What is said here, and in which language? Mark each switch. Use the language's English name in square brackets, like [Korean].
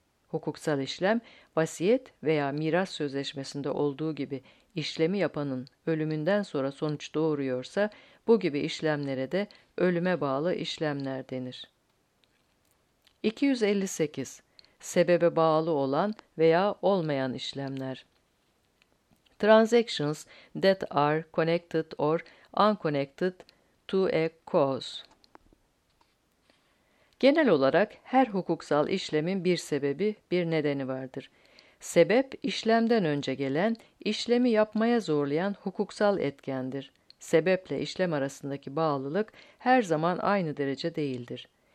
[Turkish] Hukuksal işlem vasiyet veya miras sözleşmesinde olduğu gibi İşlemi yapanın ölümünden sonra sonuç doğuruyorsa, bu gibi işlemlere de ölüme bağlı işlemler denir. 258. Sebebe bağlı olan veya olmayan işlemler. [English] Transactions that are connected or unconnected to a cause. [Turkish] Genel olarak her hukuksal işlemin bir sebebi, bir nedeni vardır. Sebep, işlemden önce gelen, işlemi yapmaya zorlayan hukuksal etkendir. Sebeple işlem arasındaki bağlılık her zaman aynı derece değildir.